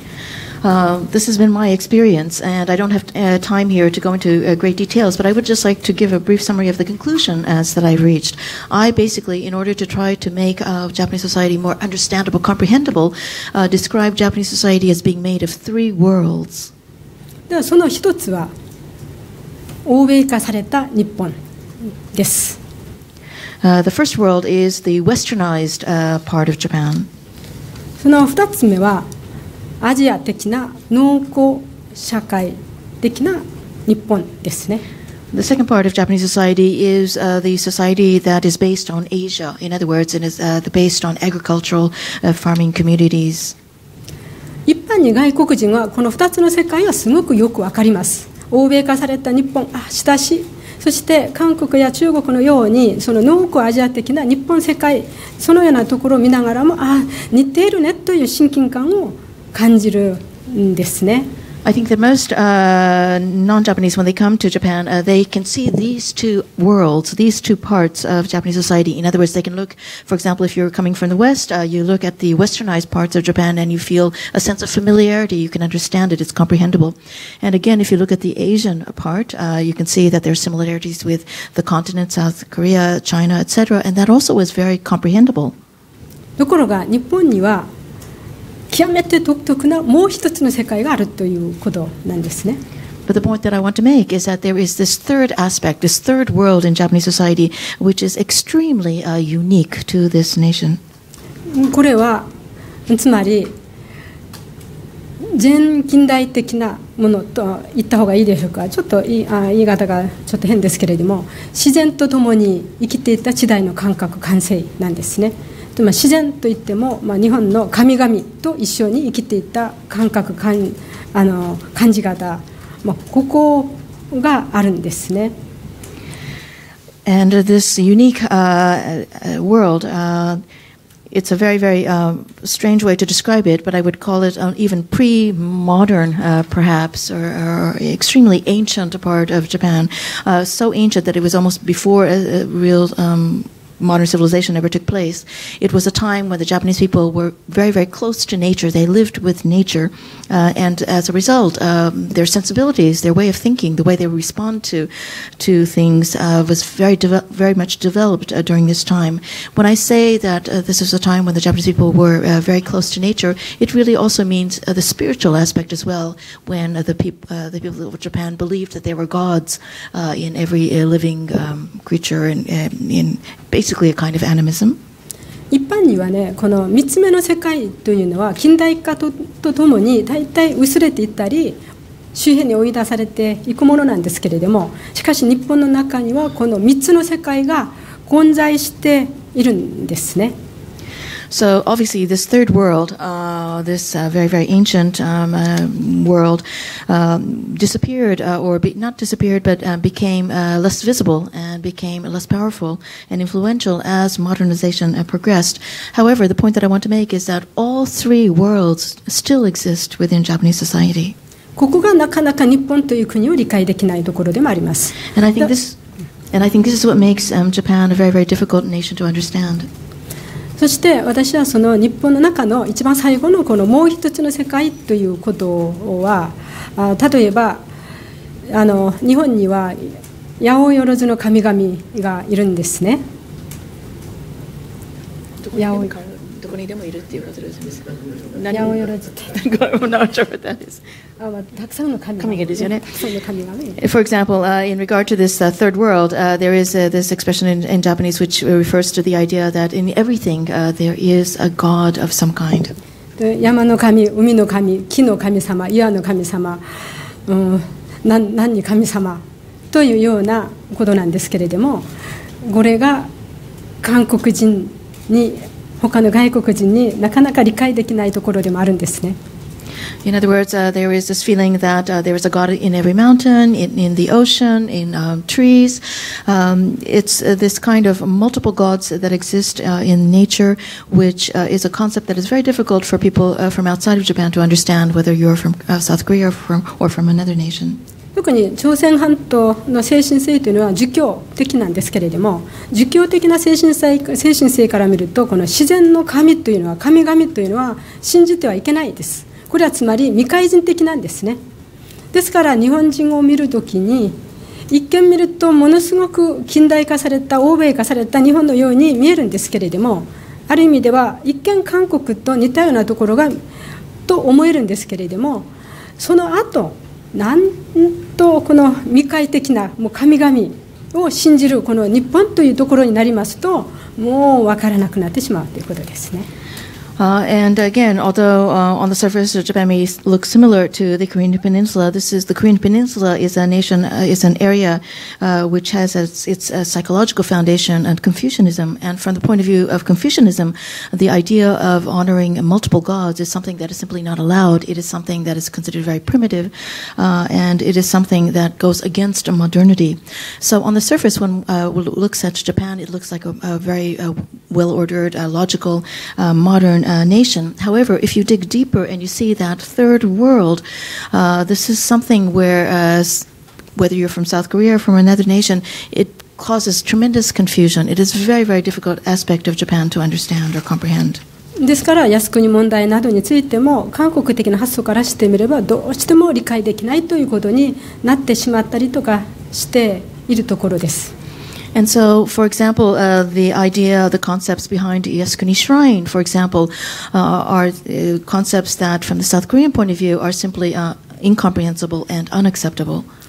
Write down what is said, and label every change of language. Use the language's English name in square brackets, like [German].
[English] This has been my experience, and I don't have time here to go into great details, but I would just like to give a brief summary of the conclusion as that I've reached. I basically, in order to try to make Japanese society more understandable, comprehensible, describe Japanese society as being made of three worlds. [Japanese] ではその一つは欧米化された日本です。 [English] The first world is the westernized part of Japan. [Japanese] その二つ目はアジア的な農耕社会的な日本ですね。 [English] The second part of Japanese society is the society that is based on Asia. In other words, it is based on agricultural farming communities. [Japanese] 一般かに外国人はこの2つの世界はすごくよくわかります。欧米化された日本、親しい。そして韓国や中国のようにその濃厚アジア的な日本世界、そのようなところを見ながらも、あ、似ているねという親近感を感じるんですね。 [English] I think the most non-Japanese, when they come to Japan, they can see these two worlds, these two parts of Japanese society. In other words, they can look, for example, if you're coming from the West, you look at the westernized parts of Japan and you feel a sense of familiarity. You can understand it. It's comprehensible. And again, if you look at the Asian part, you can see that there are similarities with the continent, South Korea, China, etc. And that also is very comprehensible. [Japanese] ところが日本には極めて独特なもう一つの世界があるということなんですね。 [English] But the point that I want to make is that there is this third aspect, this third world in Japanese society, which is extremely unique to this nation. [Japanese] これはつまり全近代的なものと言った方がいいでしょうか。ちょっと言い方がちょっと変ですけれども、自然と共に生きていた時代の感覚、感性なんですね。自然といっても、まあ、日本の神々と一緒に生きていた感覚、感じ方、まあ、ここがあるんですね。 [English] And this unique world, it's a very, very strange way to describe it, but I would call it even pre-modern, perhaps, or extremely ancient part of Japan. So ancient that it was almost before real modern civilization ever took place. It was a time when the Japanese people were very, very close to nature. They lived with nature. And as a result, their sensibilities, their way of thinking, the way they respond to things was very, very much developed during this time. When I say that this is a time when the Japanese people were very close to nature, it really also means the spiritual aspect as well, when the people of Japan believed that there were gods in every living creature and in basically a kind of animism. [Japanese] 一般にはね、この3つ目の世界というのは近代化とともに大体薄れていったり周辺に追い出されていくものなんですけれども、しかし日本の中にはこの3つの世界が混在しているんですね。 [English] So obviously this third world, this very, very ancient world disappeared, not disappeared, but became less visible and became less powerful and influential as modernization progressed. However, the point that I want to make is that all three worlds still exist within Japanese society. [Japanese] ここがなかなか日本という国を理解できないところでもあります。 [English] And I think this is what makes Japan a very, very difficult nation to understand. [Japanese] そして私はその日本の中の一番最後のこのもう一つの世界ということは、例えば日本には八百万の神々がいるんですね。どこにでもいるっていうことですよね。八百万って。 [English] I'm not sure what that is. [Japanese] たくさんの神々ですよね。 [English] For example, in regard to this third world, there is this expression in Japanese which refers to the idea that in everything there is a god of some kind. [Japanese] 山の神、海の神、木の神様、岩の神様、何に神様というようなことなんですけれども、これが韓国人に、他の外国人になかなか理解できないところでもあるんですね。 [English] In other words, there is this feeling that there is a god in every mountain, in the ocean, in trees. It's this kind of multiple gods that exist in nature, which is a concept that is very difficult for people from outside of Japan to understand, whether you're from South Korea or from another nation. [Japanese] 特に朝鮮半島の精神性というのは儒教的なんですけれども、儒教的な精神性から見ると、この自然の神というのは、神々というのは信じてはいけないです。これはつまり未開人的なんですね。ですから日本人を見るときに一見見るとものすごく近代化された欧米化された日本のように見えるんですけれども、ある意味では一見韓国と似たようなところがと思えるんですけれども、その後なんとこの未開的なもう神々を信じるこの日本というところになりますと、もう分からなくなってしまうということですね。 [English] And again, although on the surface Japan may look similar to the Korean Peninsula, this is the Korean Peninsula is a nation, is an area which has its psychological foundation and Confucianism. And from the point of view of Confucianism, the idea of honoring multiple gods is something that is simply not allowed. It is something that is considered very primitive, and it is something that goes against modernity. So on the surface, when one looks at Japan, it looks like a very well-ordered, logical, modern nation. However, if you dig deeper and you see that third world, this is something where, whether you're from South Korea or from another nation, it causes tremendous confusion. It is a very, very difficult aspect of Japan to understand or comprehend. [Japanese] ですから靖国問題などについても韓国的な発想からしてみればどうしても理解できないということになってしまったりとかしているところです。 [English] And so, for example, the idea, the concepts behind Yasukuni Shrine, for example, are concepts that, from the South Korean point of view, are simply incomprehensible and unacceptable.